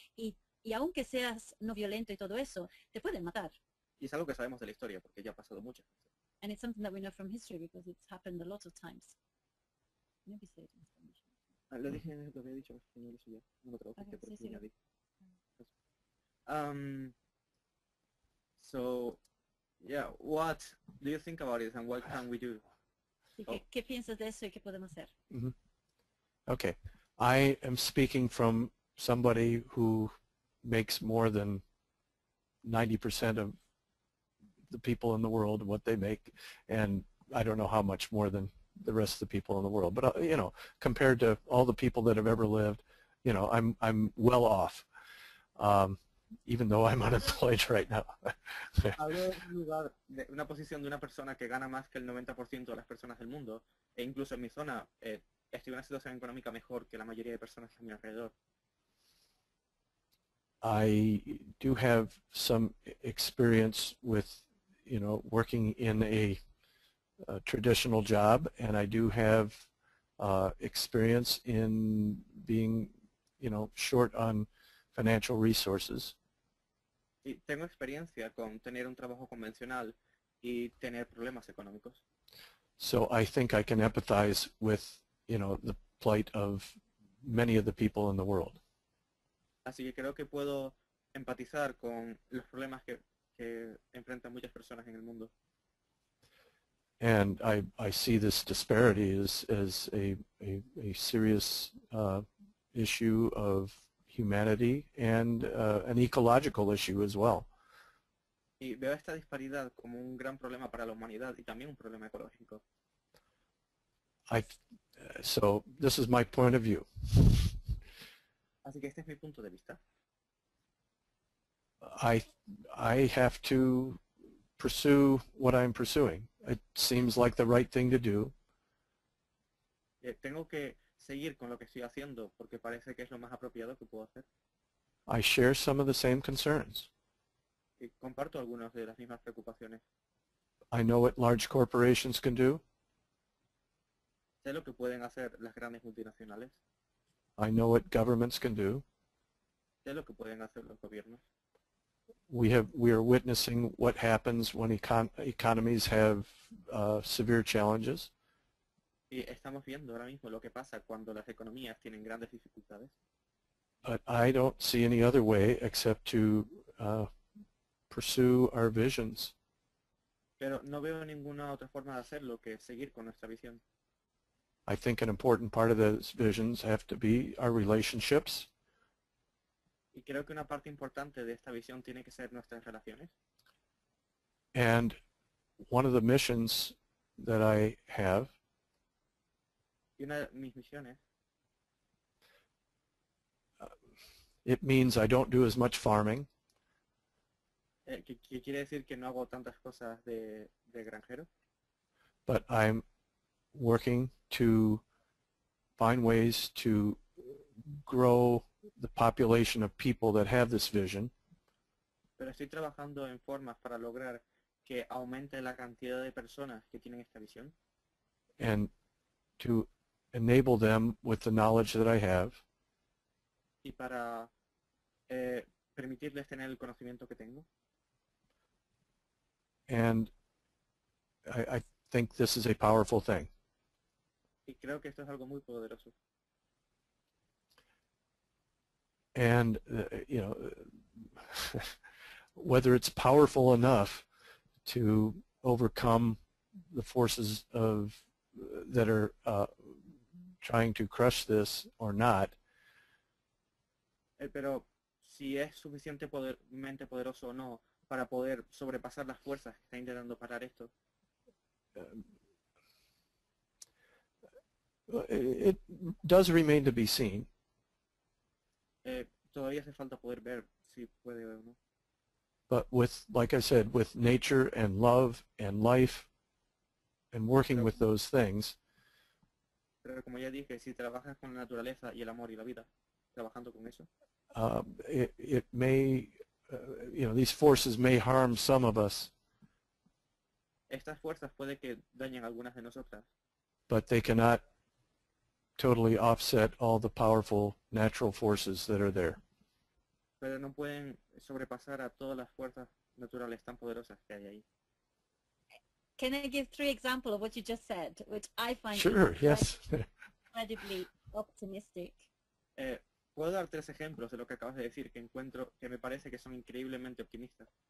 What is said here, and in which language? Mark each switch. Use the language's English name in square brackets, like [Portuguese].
[Spanish] Y aunque seas no violento y todo eso, te pueden matar. Y es algo que sabemos de la historia porque ya ha pasado mucho. [English] And it's something that we know from history because it's happened a lot of times. Maybe say it in Spanish. [Spanish] Lo dije, lo había dicho en español, eso ya. No lo traduje por ti, nadie. [English] So, yeah, what do you think about it and what can we do? [Spanish] ¿Qué piensas de eso y qué podemos hacer? [English] Okay, I am speaking from somebody who makes more than 90% of the people in the world what they make, and I don't know how much more than the rest of the people in the world, but you know, compared to all the people that have ever lived, you know, I'm well off, even though I'm unemployed right now. [Spanish] Hablo de un lugar, de una posición de una persona que gana más que el 90% de las personas del mundo, e incluso en mi zona estoy en una situación económica mejor que la mayoría de personas a mi alrededor. [English] I do have some experience with, you know, working in a traditional job, and I do have experience in being, you know, short on financial resources. [Spanish] Y tengo experiencia con tener un trabajo convencional y tener problemas económicos. [English] So I think I can empathize with, you know, the plight of many of the people in the world. [Spanish] Así que creo que puedo empatizar con los problemas que enfrentan muchas personas en el mundo. [English] And I see this disparity as a serious issue of humanity and an ecological issue as well. [Spanish] Y veo esta disparidad como un gran problema para la humanidad y también un problema ecológico. [English] So this is my point of view. [Spanish] Así que este es mi punto de vista. [English] I have to pursue what I'm pursuing. It seems like the right thing to do. [Spanish] Tengo que seguir con lo que estoy haciendo porque parece que es lo más apropiado que puedo hacer. [English] I share some of the same concerns. [Spanish] Y comparto algunas de las mismas preocupaciones. [English] I know what large corporations can do. [Spanish] Sé lo que pueden hacer las grandes multinacionales. [English] I know what governments can do. [Spanish] Sé lo que pueden hacer los gobiernos. [English] We are witnessing what happens when economies have severe challenges. [Spanish] Y estamos viendo ahora mismo lo que pasa cuando las economías tienen grandes dificultades. [English] But I don't see any other way except to pursue our visions. [Spanish] Pero no veo ninguna otra forma de hacerlo que seguir con nuestra visión. [English] I think an important part of those visions have to be our relationships. [Spanish] Y creo que una parte importante de esta visión tiene que ser nuestras relaciones. [English] And one of the missions that I have, [Spanish] y una de mis misiones, [English] it means I don't do as much farming. [Spanish] ¿Qué quiere decir que no hago tantas cosas de granjero? [English] But I'm working to find ways to grow the population of people that have this vision. [Spanish] Pero estoy trabajando en formas para lograr que aumente la cantidad de personas que tienen esta visión. [English] And to enable them with the knowledge that I have. [Spanish] Y para permitirles tener el conocimiento que tengo. [English] And I think this is a powerful thing. [Spanish] Y creo que esto es algo muy poderoso. [English] And, you know, whether it's powerful enough to overcome the forces of that are trying to crush this or not. [Spanish] Pero si es suficientemente poderoso o no para poder sobrepasar las fuerzas que está intentando parar esto? [English] It does remain to be seen. [Spanish] Todavía hace falta poder ver si puede o no. [English] But with, like I said, with nature and love and life and working with those things, [Spanish] pero como ya dije, si trabajas con la naturaleza y el amor y la vida, trabajando con eso, [English] it may, you know, these forces may harm some of us. [Spanish] Estas fuerzas puede que dañen algunas de nosotras. [English] But they cannot totally offset all the powerful natural forces that are there. [Spanish] Pero no pueden sobrepasar a todas las fuerzas naturales tan poderosas que hay ahí. [English] Can I give three examples of what you just said, which I find incredibly optimistic? [Spanish] Puedo dar tres ejemplos de lo que acabas de decir que encuentro que me parece que son increíblemente optimistas.